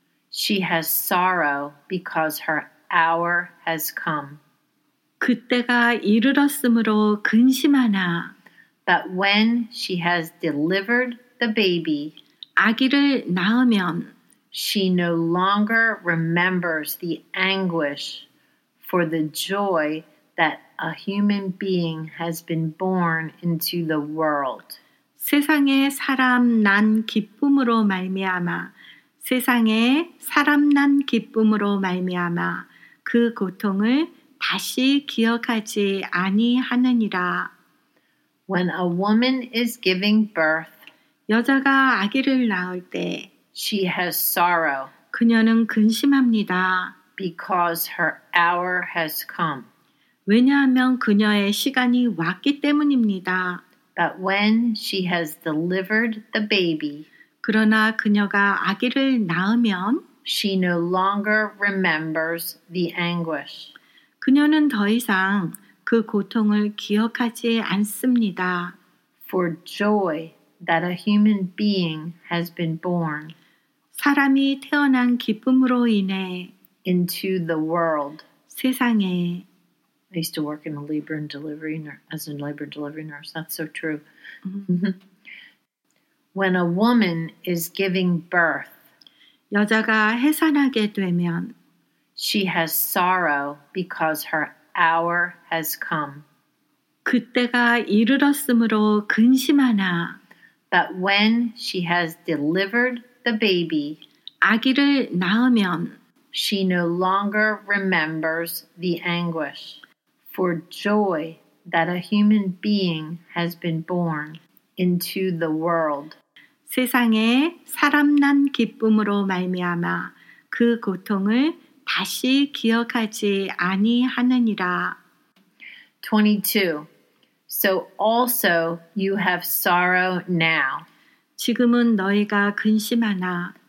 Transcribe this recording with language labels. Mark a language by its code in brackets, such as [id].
[en] she has sorrow because her hour has come. [ko] 그때가 이르렀으므로 근심하나, [en] but when she has delivered the baby, [ko] 아기를 낳으면, [en] she no longer remembers the anguish for the joy that a human being has been born into the world. [ko] 세상에 사람 난 기쁨으로 말미암아 세상에 사람 난 기쁨으로 말미암아 그 고통을 다시 기억하지 아니하느니라. [en] When a woman is giving birth, [ko] 여자가 아기를 낳을 때 [en] she has sorrow. [ko] 그녀는 근심합니다. [en] Because her hour has come. [ko] 왜냐하면 그녀의 시간이 왔기 때문입니다. [en] But when she has delivered the baby, [ko] 그러나 그녀가 아기를 낳으면 [en] she no longer remembers the anguish. [ko] 그녀는 더 이상 그 고통을 기억하지 않습니다. [en] For joy that a human being has been born. [ko] 사람이 태어난 기쁨으로 인해 [en] into the world. [ko] 세상에 [en] I used to work in a labor and delivery as a labor and delivery nurse. That's so true. Mm-hmm. When a woman is giving birth, [ko] 여자가 해산하게 되면, [en] she has sorrow because her hour has come. [ko] 그때가 이르렀으므로 근심하나, [en] but when she has delivered the baby, [ko] 아기를 낳으면, [en] she no longer remembers the anguish. For joy that a human being has been born into the world. [ko] 세상에 사람 난 기쁨으로 말미암아 그 고통을 다시 기억하지 아니하느니라. [en] 22. So also you have sorrow now. [ko] 지금은 너희가 근심하나.